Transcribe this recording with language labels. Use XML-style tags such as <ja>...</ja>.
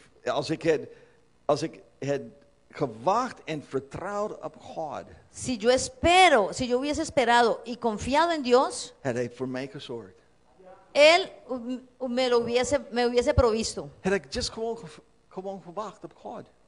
<nl>Als ik het gewacht en vertrouwd op God.</nl> <es>Si yo hubiese esperado y confiado en Dios,</es> <nl>had hij voor mij gezorgd.</nl> <es>Él me hubiese provisto.</es> <nl>Had ik just gewoon gewacht op God.</nl>